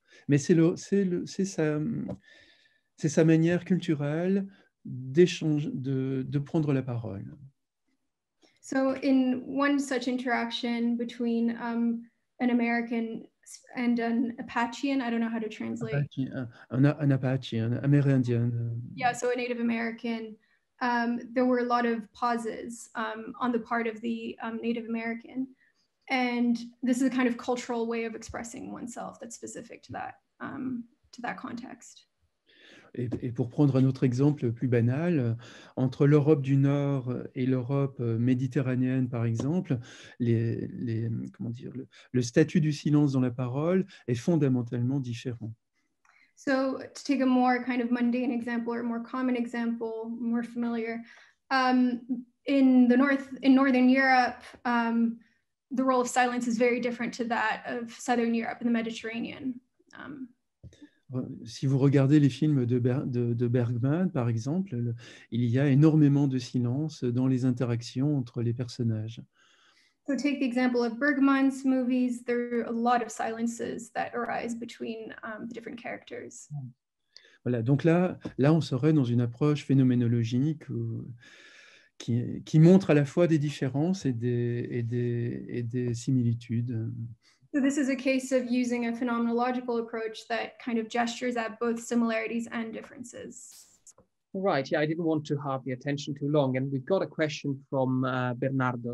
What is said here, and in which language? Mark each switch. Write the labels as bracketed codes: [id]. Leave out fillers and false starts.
[fr] Mais c'est sa manière culturelle d'échanger, de prendre la parole. [en] So in one such interaction between an American and an Apachean, I don't know how to translate. An Apache, an Amerindian. Yeah, so a Native American. There were a lot of pauses on the part of the Native American. And this is a kind of cultural way of expressing oneself that's specific to that context. [fr] Et pour prendre un autre exemple plus banal, entre l'Europe du Nord et l'Europe méditerranéenne, par exemple, le statut du silence dans la parole est fondamentalement différent. [en] So, to take a more kind of mundane example or more common example, more familiar, in Northern Europe, the role of silence is very different to that of Southern Europe and the Mediterranean. [fr] Si vous regardez les films de Bergman, par exemple, il y a énormément de silence dans les interactions entre les personnages. [en] So take the example of Bergman's movies. There are a lot of silences that arise between the different characters. [fr] Voilà, donc là, on serait dans une approche phénoménologique qui montre à la fois des différences et des similitudes. [en] So this is a case of using a phenomenological approach that kind of gestures at both similarities and differences. Right, yeah, I didn't want to have the attention too long, and we've got a question from Bernardo.